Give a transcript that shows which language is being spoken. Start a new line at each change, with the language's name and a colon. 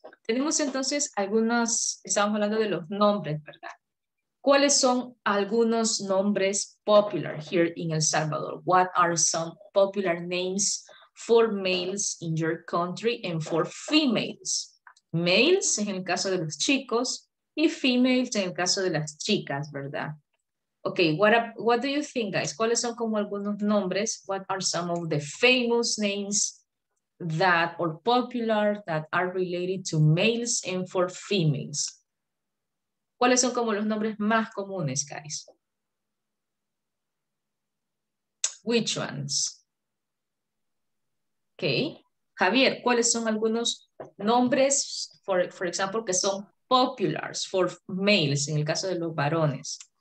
Spanish: Tenemos entonces algunos, estamos hablando de los nombres, ¿verdad? ¿Cuáles son algunos nombres
English: popular here in
Spanish: El Salvador?
English: What are some popular names for males in your country and for females?
Spanish: Males en el caso de los chicos y females en el caso de las chicas, ¿verdad?
English: Okay, what do you think, guys?
Spanish: ¿Cuáles son como algunos nombres?
English: What are some of the famous names that are popular that are related to males and for females?
Spanish: ¿Cuáles son como los nombres más comunes, guys?
English: Which ones? Okay.
Spanish: Javier, ¿cuáles son algunos nombres,
English: for example,
Spanish: que son populars
English: for males,
Spanish: en el caso de los varones?